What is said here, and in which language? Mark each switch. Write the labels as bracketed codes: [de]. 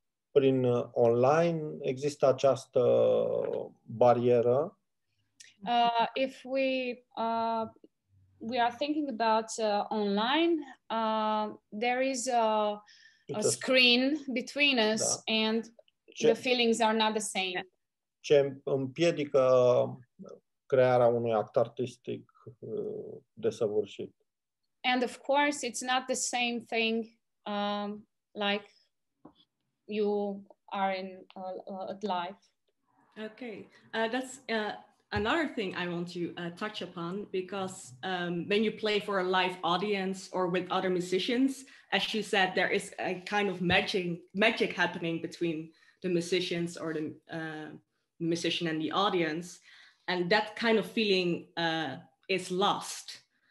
[ro] Prin online există această barieră. [en] If we we are thinking about online, there is a screen between us, da. And the feelings are not the same. [ro] Ce împiedică crearea unui act artistic desăvârșit. [en] And of course, it's not the same thing like you are in life. Okay, that's another thing I want to touch upon, because when you play for a live audience or with other musicians, as you said, there is a kind of magic happening between the musicians or the musician and the audience, and that kind of feeling is lost.